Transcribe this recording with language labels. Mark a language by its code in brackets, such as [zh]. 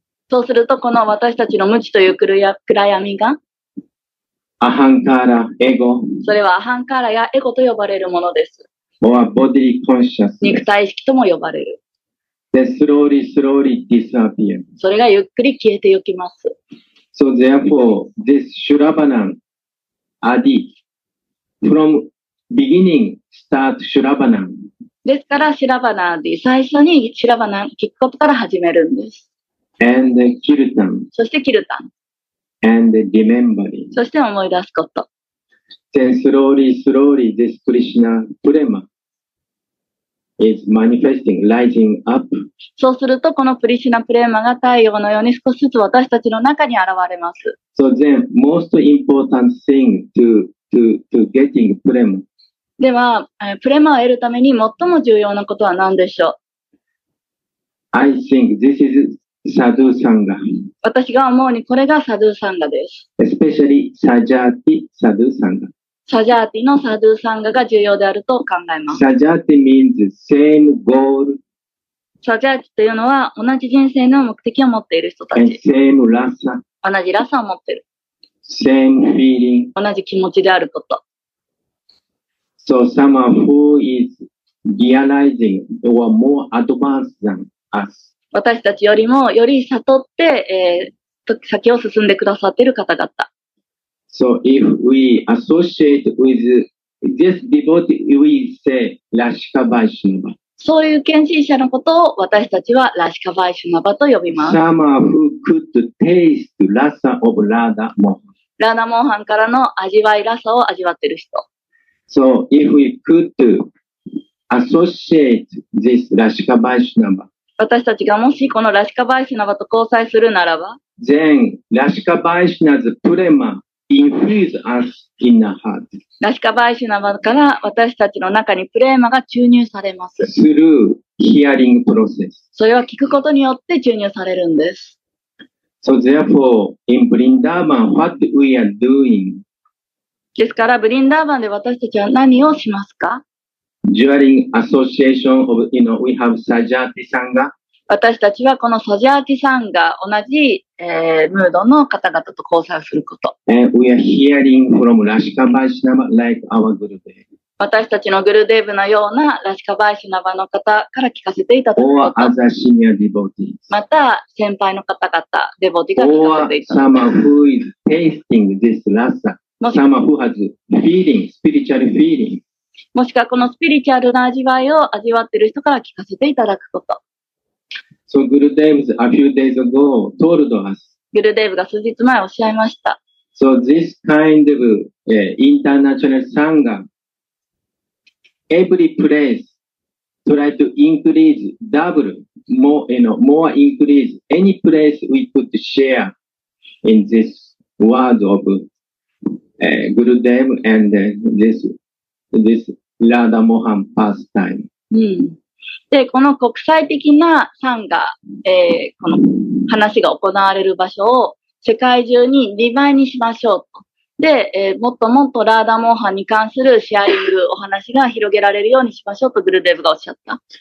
[ja] そうすると、この私たちの無知という暗闇が、アハンカーラ、エゴ。それはアハンカーラやエゴと呼ばれるものです。 [en] Or bodily consciousness. [ja] 肉体意識とも呼ばれる。 [en] Then slowly, slowly disappear. [ja] それがゆっくり消えてゆきます。 [en] So therefore, this Shravanam Adi from beginning start Shravanam. [ja] ですから、シラバナーディ、最初にシラバナー聞くことから始めるんです。 [en] And Kirtan. [ja] そしてキルタン。 [en] And remembering. [ja] そして思い出すこと。 [en] Then slowly, slowly this Krishna Prema. Is manifesting, rising up. [ja] そうすると、このクリシュナプレーマが太陽のように少しずつ私たちの中に現れます。 [en] So then, most important thing to getting prema. [ja] では、プレマを得るために最も重要なことは何でしょう? [en] I think this is Sadhu Sangha. [ja] 私が思うにこれがサドゥサンガです。 [en] Especially Sajati Sadhu Sangha. [ja] サジャーティのサドゥサンガが重要であると考えます。 [en] サジャーティ means same goal. [ja] サジャーティというのは同じ人生の目的を持っている人たち。 [en] And same ラサ。 [ja] 同じラサを持っている。 [en] Same feeling. [ja] 同じ気持ちであること。 [en] So someone who is realizing or more advanced than us. [ja] 私たちよりもより悟って、先を進んでくださっている方々。 [en] So if we associate with this devotee, we say ラシカバイシュナバ。 [ja] そういう献身者のことを私たちはラシカバイシュナバと呼びます。 [en] Someone who could taste rasa of Radha Mohan。 [ja] ラダモハンからの味わいラサを味わっている人。 [en] So if we could associate this ラシカバイシュナバ。 [ja] 私たちがもしこのラシカバイシュナバと交際するならば、 [en] Then ラシカバイシュナズプレマ。Infuse us in our heart. [ja] ラシカバイシュナバから私たちの中にプレーマが注入されます。 [en] Through hearing process. [ja] それは聞くことによって注入されるんです。 [en] So therefore, in Vrindavan, what we are doing? [ja] ですから、ブリンダーバンで私たちは何をしますか? [en] During association of, you know, we have Sajati Sangha. [ja] 私たちはこのサジャーティさんが同じ、ムードの方々と交際すること。 [en] We are hearing from ラシカバイシナバ like our グルデーブ。 [ja] 私たちのグルデーブのようなラシカバイシナバの方から聞かせていただくこと。 [en] Or other senior devotees. [ja] また先輩の方々、デボティが聞かせていただ [en] く。Or someone who is tasting this rasa. Someone who has feeling, spiritual feeling. [ja] もしくはこのスピリチュアルな味わいを味わっている人から聞かせていただくこと。 [en] So Gurudev a few days ago told us. [ja] Gurudev が数日前おっしゃいました。 [en] So this kind of、international sangha, every place try to increase double, more, you know, more increase any place we could share in this word of、Gurudev and、this Radha Mohan pastime.、 [ja] うんで、この国際的なサンガ、この話が行われる場所を世界中に2倍にしましょうと。で、もっともっとラーダモーハンに関するシェアリングお話が広げられるようにしましょうとグルデーブがおっしゃった。